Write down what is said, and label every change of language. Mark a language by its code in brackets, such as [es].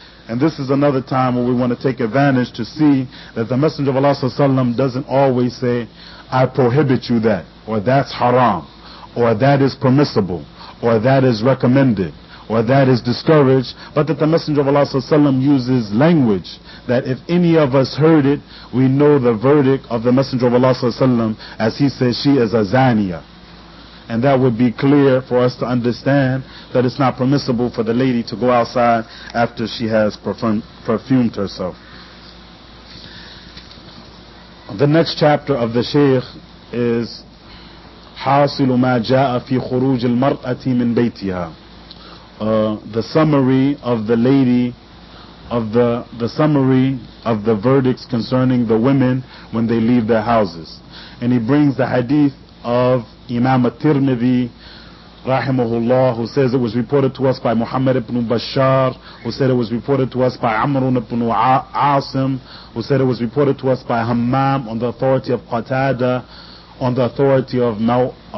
[en] And this is another time where we want to take advantage to see that the Messenger of Allah Sallallahu Alaihi Wasallam doesn't always say, I prohibit you that, or that's haram, or that is permissible, or that is recommended, or that is discouraged, but that the Messenger of Allah Sallallahu Alaihi Wasallam uses language that if any of us heard it, we know the verdict of the Messenger of Allah Sallallahu Alaihi Wasallam, as he says, she is a zaniya. And that would be clear for us to understand that it's not permissible for the lady to go outside after she has perfumed herself. The next chapter of the Shaykh is [ar] حاصل ما جاء في خروج المرأة من بيتها. [en] The summary of the lady, of the summary of the verdicts concerning the women when they leave their houses. And he brings the hadith of Imam At-Tirmidhi rahimahullah, who says it was reported to us by Muhammad ibn Bashar, who said it was reported to us by Amr ibn Asim, who said it was reported to us by Hammam on the authority of Qatada, on the authority of Mawruq